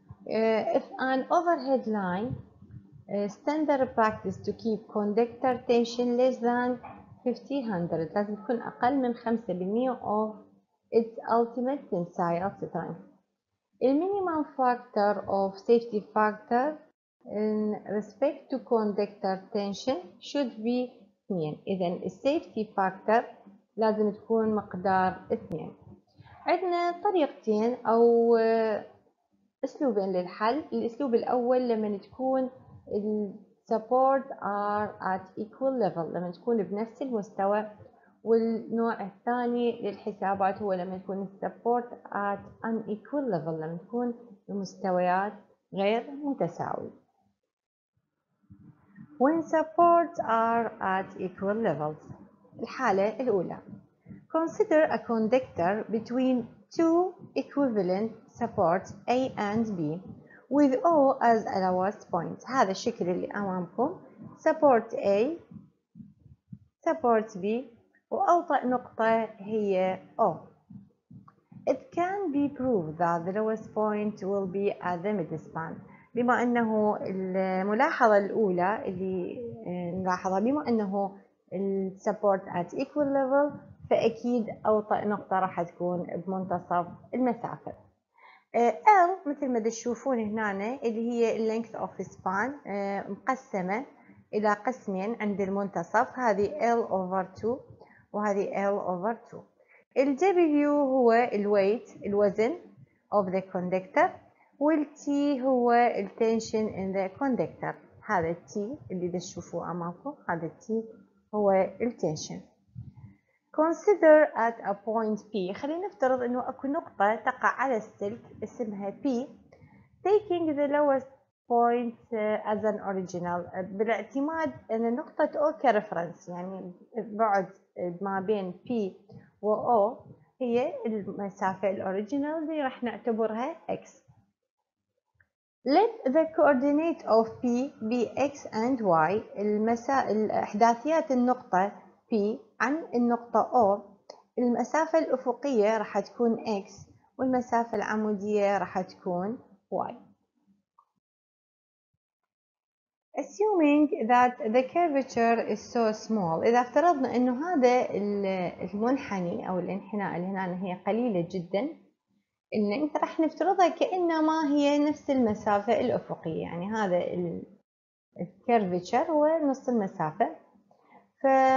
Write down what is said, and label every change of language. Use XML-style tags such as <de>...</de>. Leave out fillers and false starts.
<en>If an overhead line standard practice to keep conductor tension less than 1500</en> <ar>لازم يكون أقل من</ar> <en>5% of its ultimate tensile strength. The minimum factor of safety factor in respect to conductor tension should be 2.</en> <ar>إذا</ar> <en>safety factor</en> <ar>لازم تكون مقدار 2. عندنا طريقتين أو أسلوبين للحل. الأسلوب الأول لما تكون</ar> <en>support are at equal level</en> <ar>لما تكون بنفس المستوى. والنوع الثاني للحسابات هو لما يكون</ar> <en>support at unequal level</en> <ar>لما يكون المستويات غير متساوي.</ar> <en>When supports are at equal levels</en> <ar>الحالة الأولى</ar> <en>consider a conductor between two equivalent supports A and B with O as a lowest point.</en> <ar>هذا الشكل اللي أمامكم</ar> <en>support A support B</en> <ar>وأوطأ نقطة هي O.</ar> <en>It can be proved that the lowest point will be at the midspan.</en> <ar>بما أنه الملاحظة الأولى اللي نلاحظها بما أنه</ar> <en>support at equal level</en> <ar>فأكيد أوطأ نقطة راح تكون بمنتصف المسافة. L مثل ما تشوفون هنا اللي هي</ar> <en>length of span</en> <ar>مقسمة إلى قسمين عند المنتصف هذه L over 2 وهذه L over 2. ال W هو الويت الوزن</ar> <en>of the conductor</en> <ar>وال T هو التنشن</ar> <en>in the conductor.</en> <ar>هذا T اللي تشوفوه أمامكم هذا T هو التنشن.</ar> <en>Consider at a point P.</en> <ar>خلينا نفترض أنه أكو نقطة تقع على السلك اسمها P.</ar> <en>Taking the lowest point as an original.</en> <ar>بالاعتماد أن نقطة O كرفرنس يعني بعد ما بين P و O هي المسافة الأوريجينال اللي راح نعتبرها X.</ar> <en>Let the coordinate of P be X and Y.</en> <ar>الأحداثيات النقطة P عن النقطة O المسافة الأفقية راح تكون X والمسافة العمودية راح تكون Y.</ar> <en>Assuming that the curvature is so small</en> <ar>إذا افترضنا أنه هذا المنحني أو الانحناء اللي هنا هي قليلة جدا إن أنت راح نفترضها كأنما هي نفس المسافة الأفقية يعني هذا الكيرفيتشر هو نص المسافة ف</ar>